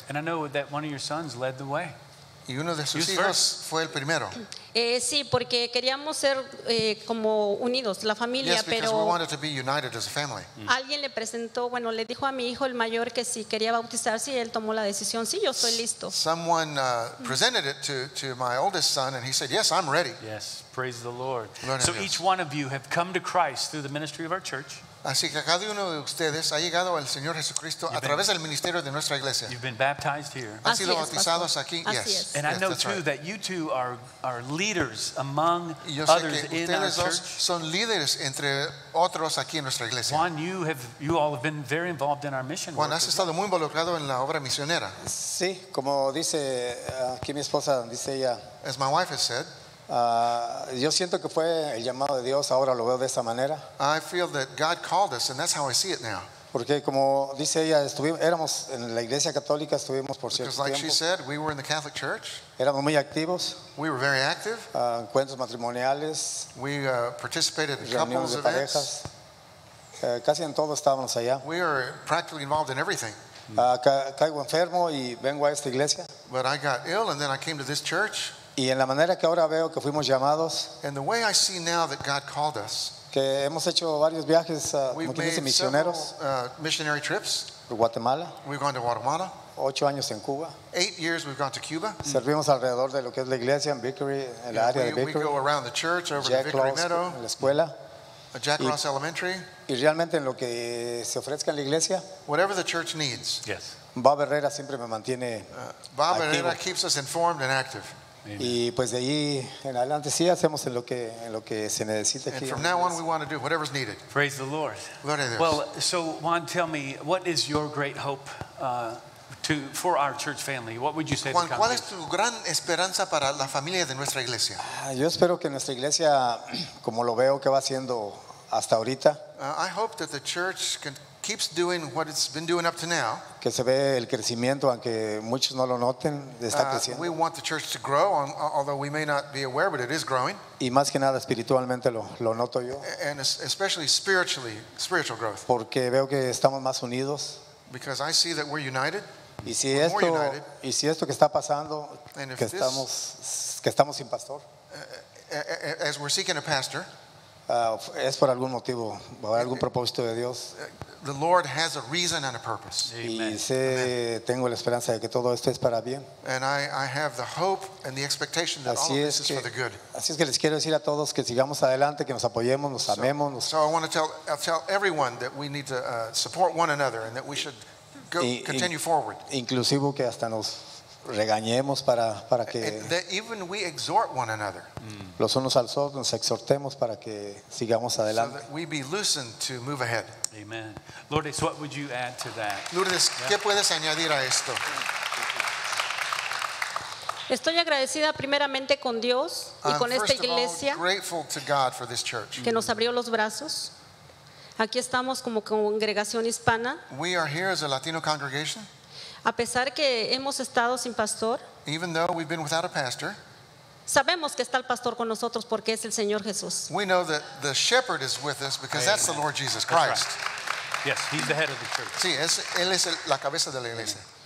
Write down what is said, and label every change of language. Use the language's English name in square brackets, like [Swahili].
[English] And I know that one of your sons led the way. [Spanish] Y uno de sus hijos [English] first. [Spanish] Fue el primero. Sí, porque queríamos ser como unidos, la familia, [English] yes, [Spanish] pero [English] we wanted to be united as a family. [Spanish] Alguien le presentó, bueno, le dijo a mi hijo el mayor que si quería bautizarse y él tomó la decisión, sí, yo estoy listo. [English] Someone presented it to my oldest son and he said, "Yes, I'm ready." Yes, praise the Lord. Learning so each one of you have come to Christ through the ministry of our church. [Spanish] Así que cada uno de ustedes ha llegado al Señor Jesucristo a través del ministerio de nuestra iglesia. [English] You've been baptized here. [Spanish] Han sido bautizados aquí. [English] Yes. And I know too that you two are leaders among others in our church. [Spanish] Son líderes entre otros aquí en nuestra iglesia. [English] Juan, you all have been very involved in our mission work. [Spanish] Juan, has estado muy involucrado en la obra misionera. Sí, como dice aquí mi esposa, dice ella. [English] As my wife has said. [Spanish] Yo siento que fue el llamado de Dios, ahora lo veo de esa manera. [English] I feel that God called us and that's how I see it now. [Spanish] Porque como dice ella, éramos en la iglesia católica, estuvimos por cierto tiempo. [English] Because like she said, we were in the Catholic Church. [Spanish] Éramos muy activos. [English] We were very active. [Spanish] Encuentros matrimoniales. [English] We participated in [Spanish] reuniones de parejas. Casi en todo estábamos allá. [English] We were practically involved in everything. [Spanish] Caigo enfermo y vengo a esta iglesia. [English] But I got ill and then I came to this church. [Spanish] Y en la manera que ahora veo que fuimos llamados, [English] and the way I see now that God called us, [Spanish] que hemos hecho varios viajes, [English] we've [Spanish] como [English] made [Spanish] misioneros, [English] several missionary trips. [Spanish] Guatemala. [English] We've gone to Guatemala. [Spanish] 8 años en Cuba. [English] 8 years we've gone to Cuba. [Spanish] Servimos alrededor de lo que es la iglesia en Vickery, en la área de Vickery. [English] We go around the church, over Jack the Vickery Meadow. [Spanish] La escuela. [English] Jack Ross Elementary. [Spanish] Y realmente en lo que se ofrezca en la iglesia. [English] Whatever the church needs. Yes. [Spanish] Bob Herrera siempre me mantiene Bob activo. [English] Herrera keeps us informed and active. Amen. [Spanish] Y pues de ahí en adelante sí hacemos en lo que se necesita aquí. [English] And from now on we want to do whatever's needed. Praise the Lord. [Spanish] Gloria a Dios. [English] Well, so Juan, tell me, what is your great hope for our church family? What would you say? [Spanish] Juan, ¿cuál es tu gran esperanza para la familia de nuestra iglesia? Yo espero que nuestra iglesia, como lo veo que va haciendo hasta ahorita, [English] I hope that the church keeps doing what it's been doing up to now. [Spanish] Que se ve el crecimiento, aunque muchos no lo noten, está creciendo. [English] We want the church to grow, although we may not be aware, but it is growing. [Spanish] Y más que nada espiritualmente lo noto yo. [English] And especially spiritually, spiritual growth. [Spanish] Porque veo que estamos más unidos. [English] Because I see that we're united. [Spanish] Y si esto, que está pasando, que estamos, sin pastor. [English] As we're seeking a pastor. [Spanish] Es por algún motivo, por algún propósito de Dios. [English] The Lord has a reason and a purpose. [Spanish] Y sé, tengo la esperanza de que todo esto es para bien. [English] And I have the hope and the expectation that [Spanish] así [English] all of this [Spanish] que, [English] is for the good. [Spanish] Así es que les quiero decir a todos que sigamos adelante, que nos apoyemos, nos amemos. [English] So I want to tell everyone that we need to support one another and that we should go continue forward. [Spanish] Inclusivo que hasta nos regañemos para que [English] that even we exhort one another. [Spanish] Los unos a los otros nos exhortemos para que sigamos adelante. [English] So that we be loosened to move ahead. Amen. Lourdes, what would you add to that? [Spanish] Lourdes, ¿qué puedes añadir a esto? Estoy agradecida primeramente con Dios y con esta iglesia. [English] I'm grateful to God for this church. [Spanish] Que nos abrió los brazos. Aquí estamos como congregación hispana. [English] We are here as a Latino congregation. [Spanish] A pesar que hemos estado sin pastor, [English] even though we've been without a pastor, [Spanish] sabemos que está el pastor con nosotros porque es el Señor Jesús. [English] We know that the shepherd is with us because amen. That's the Lord Jesus Christ. Right. Yes, he's the head of the church. [Spanish] Sí, él es la cabeza de la iglesia.